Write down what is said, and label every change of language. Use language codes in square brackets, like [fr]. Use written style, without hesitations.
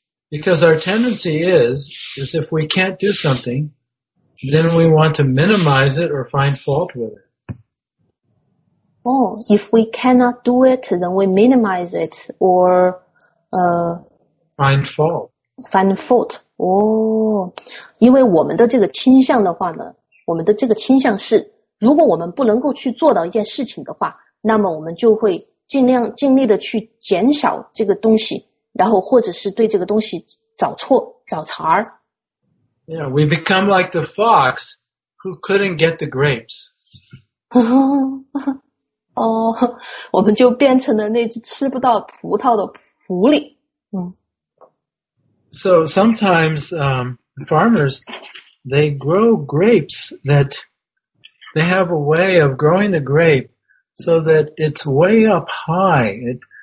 [en] Because our tendency is if we can't do something, then we want to minimize it or find fault with it. Oh, if we cannot do it, then we minimize it or, find fault. Find fault. [zh] Oh, 因为我们的这个倾向的话呢，我们的这个倾向是，如果我们不能够去做到一件事情的话，那么我们就会尽力的去减少这个东西。然后或者是对这个东西找错找茬儿。 [en] Yeah, we become like the fox who couldn't get the grapes. [zh] 哦，我们就变成了那只吃不到葡萄的狐狸。 [en] So sometimes, farmers, they grow grapes that they have a way of growing the grape so that it's way up high.